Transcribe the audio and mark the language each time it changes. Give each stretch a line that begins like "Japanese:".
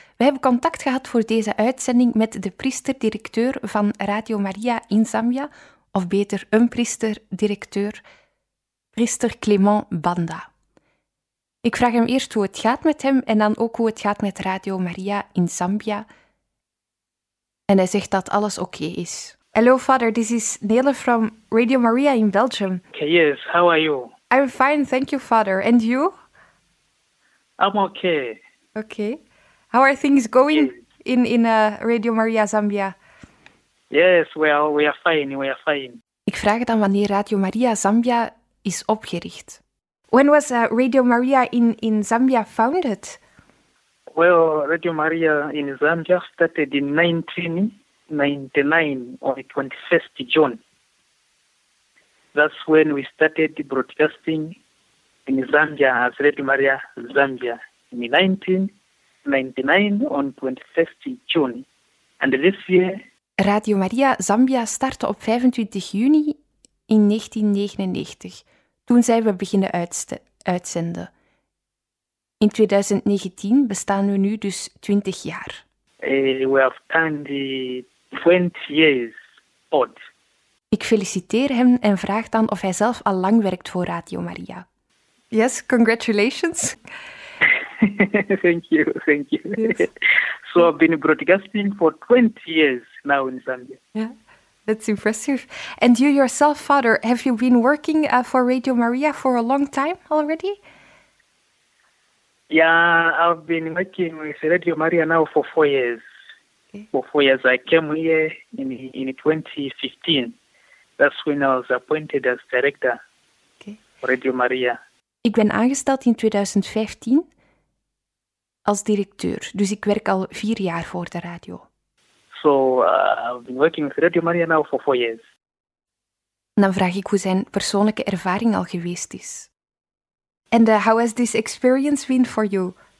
Dutch: We hebben contact gehad voor deze uitzending met de priester-directeur van Radio Maria in Zambia, of beter, een priester-directeur, priester Clément Banda. Ik vraag hem eerst hoe het gaat met hem en dan ook hoe het gaat met Radio Maria in Zambia. En hij zegt dat alles oké is.
English: Hello, Father. This is Nele from Radio Maria in Belgium. Yes, how are you? I'm fine, thank you, Father. And you? I'm okay. Okay. How are things going in Radio Maria Zambia? Yes, well, we are fine, we are fine.
Dutch: Ik vraag dan wanneer Radio Maria Zambia is opgericht.
English: When was Radio Maria in Zambia founded? Well, Radio Maria in Zambia started in 1999 on the 21st June. That's when we started broadcasting in Zambia as Radio Maria Zambia in 1999 on 21st June. And this year...
Dutch: Radio Maria Zambia startte op 25 juni in 1999. Toen zijn we beginnen uitzenden. In 2019 bestaan we nu dus 20 jaar.
English: We have turned 20 years old.
Dutch: Ik feliciteer hem en vraag dan of hij zelf al lang werkt voor Radio Maria.
English: Yes, congratulations. thank you. Yes. So I've been broadcasting for 20 years now in Zambia. Yeah. That's impressive. And you yourself, Father, have you been working for Radio Maria for a long time already? Yeah, I've been working with Radio Maria now for 4 years. Okay. For 4 years. I came here in 2015. That's when I was appointed as director for Radio Maria.
Dutch: Ik ben aangesteld in 2015 als directeur. Dus ik werk al 4 jaar voor de radio.
English: So, I've been working with Radio Maria now for 4 years.
Dutch: Dan vraag ik hoe zijn persoonlijke ervaring al geweest is.
English: And how has this experience been for you?